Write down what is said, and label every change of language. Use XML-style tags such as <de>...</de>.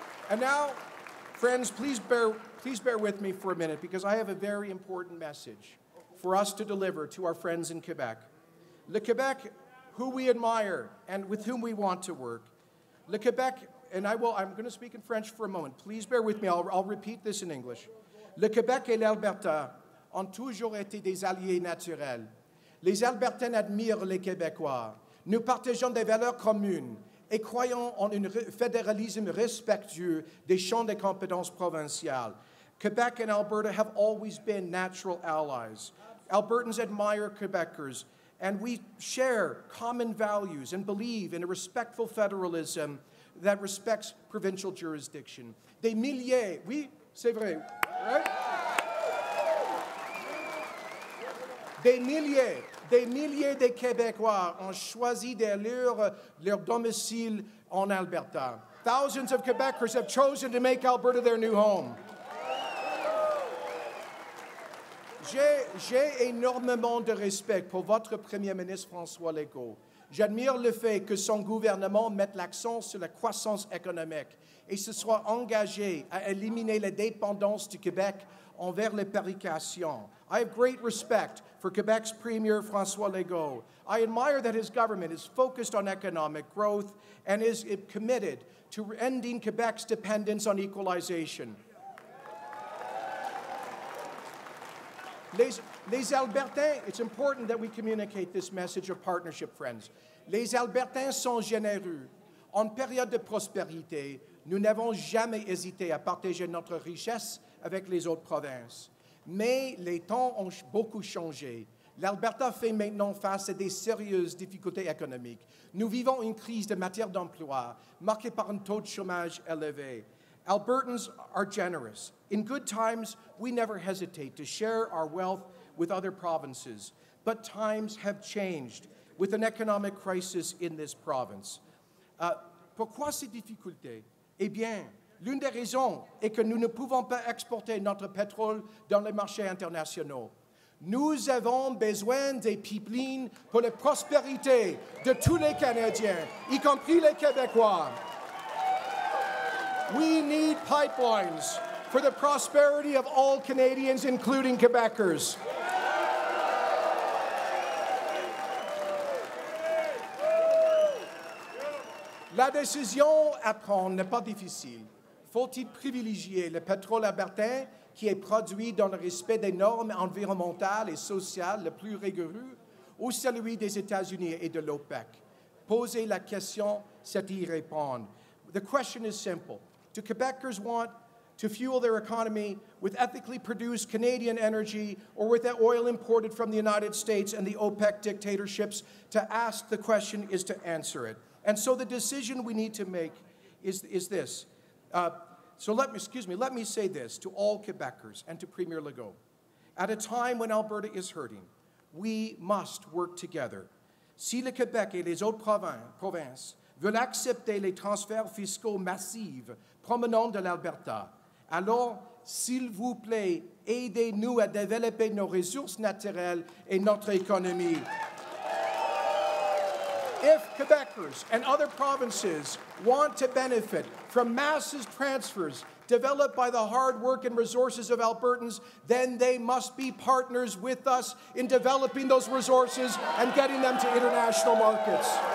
<en>And now, friends, please bear with me for a minute because I have a very important message for us to deliver to our friends in Quebec. Le Québec, who we admire and with whom we want to work. Le Québec, and I'm going to speak in French for a moment. Please bear with me, I'll repeat this in English.</en> <fr>Le Québec et l'Alberta ont toujours été des alliés naturels. Les Albertains admirent les Québécois. Nous partageons des valeurs communes et croyons en un fédéralisme respectueux des champs de compétences provinciales.</fr> <en>Quebec and Alberta have always been natural allies. Albertans admire Quebecers, and we share common values and believe in a respectful federalism that respects provincial jurisdiction.</en> <fr>Des milliers, oui, c'est vrai, right? Des milliers de Québécois ont choisi d'aller leur domicile en Alberta.</fr> <en>Thousands of Quebecers have chosen to make Alberta their new home.</en> <fr>J'ai énormément de respect pour votre premier ministre François Legault. J'admire le fait que son gouvernement mette l'accent sur la croissance économique et se soit engagé à éliminer la dépendance du Québec envers les pérications.</fr> <en>I have great respect for Quebec's premier François Legault. I admire that his government is focused on economic growth and is committed to ending Quebec's dependence on equalization.</en> <fr>Les Albertains,</fr> <en>it's important that we communicate this message of partnership, friends.</en> <fr>Les Albertains sont généreux. En période de prospérité, nous n'avons jamais hésité à partager notre richesse avec les autres provinces. Mais les temps ont beaucoup changé. L'Alberta fait maintenant face à des sérieuses difficultés économiques. Nous vivons une crise de matière d'emploi marquée par un taux de chômage élevé.</fr> <en>Albertans are generous. In good times, we never hesitate to share our wealth with other provinces. But times have changed with an economic crisis in this province.</en> <fr>Pourquoi ces difficultés? Eh bien, l'une des raisons est que nous ne pouvons pas exporter notre pétrole dans les marchés internationaux. Nous avons besoin des pipelines pour la prospérité de tous les Canadiens, y compris les Québécois.</fr> <en>We need pipelines for the prosperity of all Canadians, including Quebecers.</en> <fr>La décision à prendre n'est pas difficile. Faut-il privilégier le pétrole albertain qui est produit dans le respect des normes environnementales et sociales les plus rigoureuses ou celui des États-Unis et de l'OPEC? Poser la question, c'est y répondre.</fr> <en>The question is simple. Do Quebecers want to fuel their economy with ethically produced Canadian energy or with that oil imported from the United States and the OPEC dictatorships? To ask the question is to answer it. And so the decision we need to make is this. Let me say this to all Quebecers and to Premier Legault. At a time when Alberta is hurting, we must work together.</en> <fr>Si le Québec et les autres provinces veulent accepter les transferts fiscaux massifs provenant de l'Alberta, alors, s'il vous plaît, aidez-nous à développer nos ressources naturelles et notre économie.</fr> <en>If Quebecers and other provinces want to benefit from massive transfers developed by the hard work and resources of Albertans, then they must be partners with us in developing those resources and getting them to international markets.</en>